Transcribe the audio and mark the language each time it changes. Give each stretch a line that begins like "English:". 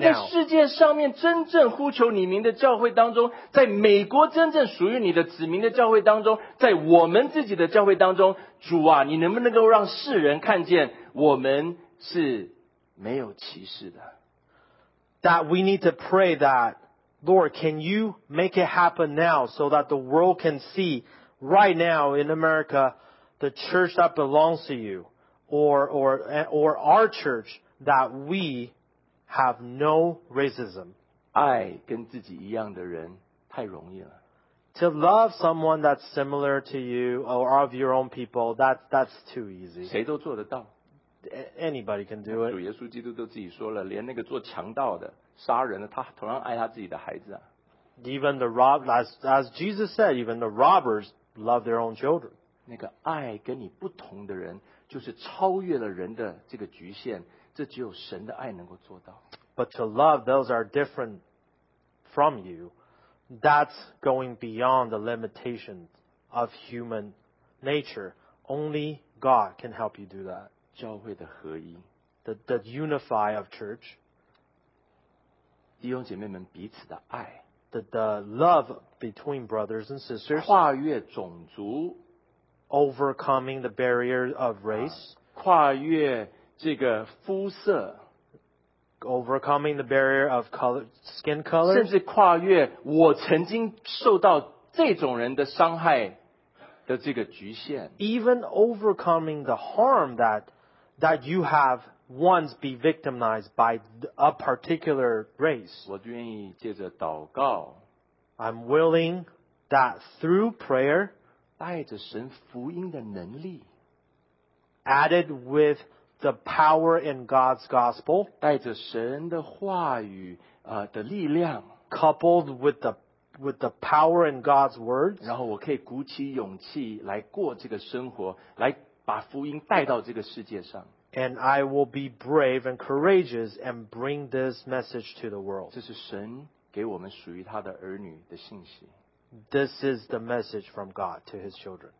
Chinese: 在世界上面真正呼求你名的教会当中，在美国真正属于你的子民的教会当中，在我们自己的教会当中，主啊，你能不能够让世人看见我们是没有歧视的？
English: That we need to pray that, Lord, can you make it happen now so that the world can see right now in America the church that belongs to you or our church that we have no racism.
Chinese: 爱跟自己一样的人太容易了。
English: To love someone that's similar to you or of your own people, that's too easy.
Chinese: 谁都做得到。
English: Anybody can do it.
Chinese: 主耶稣基督都自己说了，连那个做强盗的、杀人的，他同样爱他自己的孩子啊。
English: Even the robbers, as Jesus said, even the robbers love their own children.
Chinese: 那个爱跟你不同的人，就是超越了人的这个局限，这只有神的爱能够做到。
English: But to love those that are different from you, that's going beyond the limitations of human nature. Only God can help you do that.
Chinese: 教会的合一。
English: The unify of church.
Chinese: 弟兄姐妹们彼此的爱。
English: The love between brothers and sisters,
Chinese: 跨越种族,
English: overcoming the barrier of race,
Chinese: 跨越这个肤色,
English: overcoming the barrier of color, skin color,
Chinese: 甚至跨越我曾经受到这种人的伤害的这个局限,
English: even overcoming the harm that you have once be victimized by a particular race.
Chinese: 我愿意借着祷告,
English: I'm willing that through prayer,
Chinese: 带着神福音的能力,
English: added with the power in God's gospel,
Chinese: 带着神的话语, 的力量,
English: coupled with the power in God's words,
Chinese: 然后我可以鼓起勇气来过这个生活, 来把福音带到这个世界上。
English: And I will be brave and courageous and bring this message to the world.
Chinese: 这是神给我们属于他的儿女的信息。
English: This is the message from God to his children.